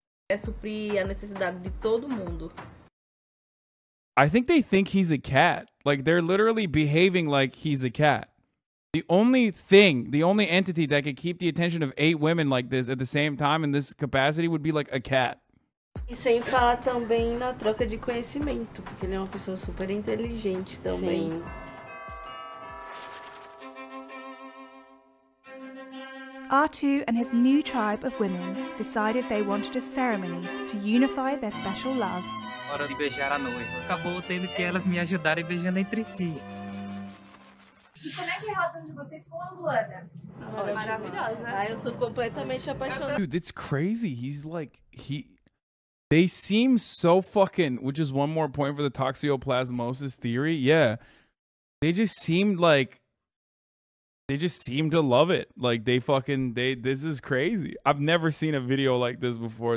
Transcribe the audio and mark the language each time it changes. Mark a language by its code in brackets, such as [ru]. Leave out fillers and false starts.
[pt] É suprir a necessidade de todo mundo. [en] I think they think he's a cat. Like, they're literally behaving like he's a cat. The only thing, the only entity that could keep the attention of eight women like this at the same time in this capacity would be, like, a cat. [pt] E sem falar também na troca de conhecimento, porque ele é uma pessoa super inteligente também. Sim. [en] Artu and his new tribe of women decided they wanted a ceremony to unify their special love. [pt] Hora de beijar a noiva. Acabou tendo que elas me ajudarem beijando entre si. E como é que é a relação de vocês com a Luana? Maravilhosa. Ah, eu sou completamente apaixonada. [en] Dude, it's crazy. He's like, he... They seem so fucking, which is one more point for the toxoplasmosis theory. Yeah. They just seemed to love it. Like, this is crazy. I've never seen a video like this before.